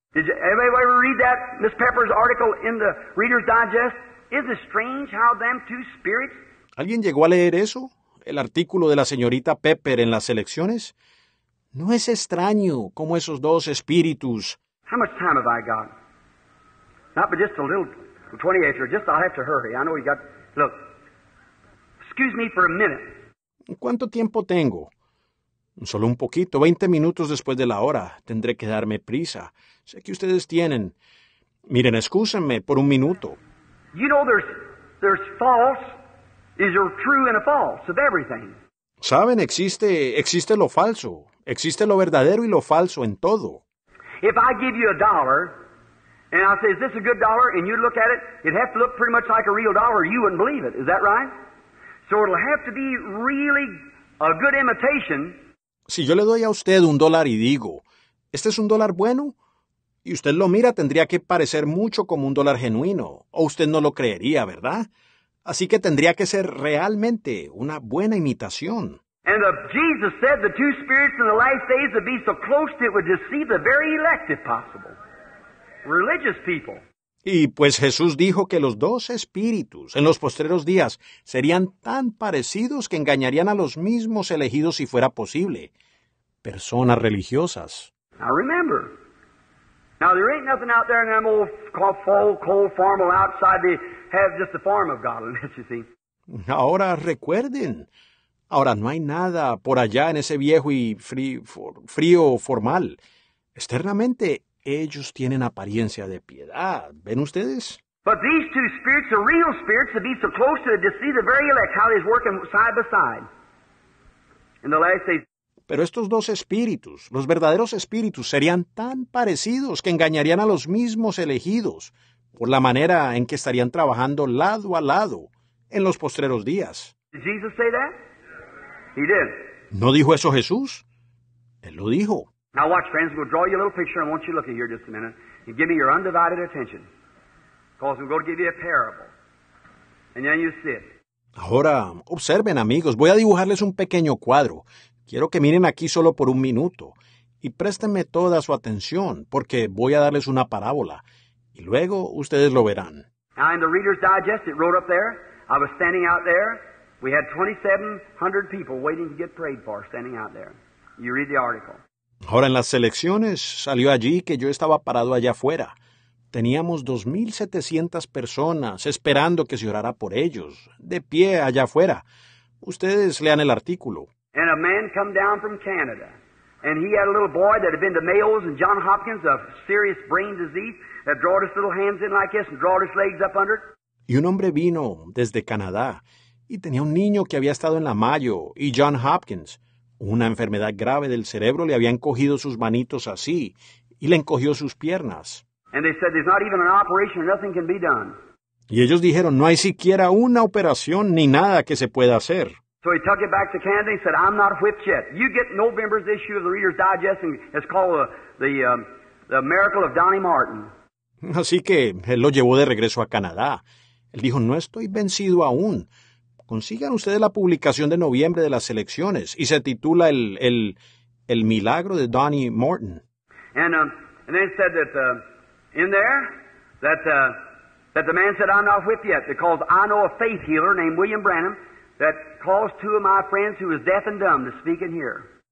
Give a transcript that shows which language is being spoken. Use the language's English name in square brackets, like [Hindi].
[English] Did you ever read that Miss Pepper's article in the Reader's Digest? Is it strange how them two spirits? [Spanish] ¿Alguien llegó a leer eso? El artículo de la señorita Pepper en las elecciones. ¿No es extraño cómo esos dos espíritus? [English] How much time have I got? Not but just a little, 28 or just. I'll have to hurry. I know you got. Look, excuse me for a minute. [Spanish] ¿Cuánto tiempo tengo? Solo un poquito, 20 minutos después de la hora. Tendré que darme prisa. Sé que ustedes tienen. Miren, excúsenme por un minuto. [English] You know there's false, is there true and a false of everything. [Spanish] Saben, existe lo falso. Existe lo verdadero y lo falso en todo. [English] If I give you a dollar, and I say, is this a good dollar? And you look at it, it'd have to look pretty much like a real dollar, or you wouldn't believe it. Is that right? So it'll have to be really a good imitation. [Spanish] Si yo le doy a usted un dólar y digo, ¿Este es un dólar bueno? Y usted lo mira, tendría que parecer mucho como un dólar genuino, o usted no lo creería, ¿verdad? Así que tendría que ser realmente una buena imitación. [English] And if Jesus said the two spirits in the last days would be so close that it would deceive the very elect if possible. Religious people. [Spanish] Y pues Jesús dijo que los dos espíritus en los postreros días serían tan parecidos que engañarían a los mismos elegidos si fuera posible. Personas religiosas. [English] Now remember. Now there ain't nothing out there in them old fall, cold, formal outside to have just the form of godliness, you see. [Spanish] Ahora recuerden. Ahora, no hay nada por allá en ese viejo y frío formal. Externamente, ellos tienen apariencia de piedad. ¿Ven ustedes? [English] But these two spirits are real spirits to be so close to deceive the very elect, how they're working side by side. In the last days. [Spanish] Pero estos dos espíritus, los verdaderos espíritus, serían tan parecidos que engañarían a los mismos elegidos por la manera en que estarían trabajando lado a lado en los postreros días. [English] Did Jesus say that? He did. [Spanish] ¿No dijo eso Jesús? Él lo dijo. [English] Now watch, friends. We'll draw you a little picture. I want you to look at here just a minute. And give me your undivided attention. Because we're going to give you a parable. And then you see it. [Spanish] Ahora, observen, amigos. Voy a dibujarles un pequeño cuadro. Quiero que miren aquí solo por un minuto. Y préstenme toda su atención, porque voy a darles una parábola. Y luego ustedes lo verán. [English] Now in the Reader's Digest, it wrote up there. I was standing out there. We had 2,700 people waiting to get prayed for, standing out there. You read the article. [Spanish] Ahora, en las selecciones, salió allí que yo estaba parado allá afuera. Teníamos 2,700 personas esperando que se orara por ellos, de pie allá afuera. Ustedes lean el artículo. [English] And a man come down from Canada, and he had a little boy that had been to Mayo's and John Hopkins, a serious brain disease, that drawed his little hands in like this and drawed his legs up under it. [Spanish] Y un hombre vino desde Canadá, y tenía un niño que había estado en la Mayo y John Hopkins. Una enfermedad grave del cerebro le había encogido sus manitos así y le encogió sus piernas. [English] And they said, there's not even an operation, nothing can be done. [Spanish] Y ellos dijeron, no hay siquiera una operación ni nada que se pueda hacer. [English] So he took it back to Canada and said, I'm not whipped yet. You get November's issue of the Reader's Digest and it's called the Miracle of Donnie Martin. [Spanish] Así que él lo llevó de regreso a Canadá. Él dijo, no estoy vencido aún. Consigan ustedes la publicación de noviembre de las elecciones y se titula el milagro de Donnie Martin. [English] And they said that in there that the man said I'm not whipped yet because I know a faith healer named William Branham that calls two of my friends who is deaf and dumb to speak and hear.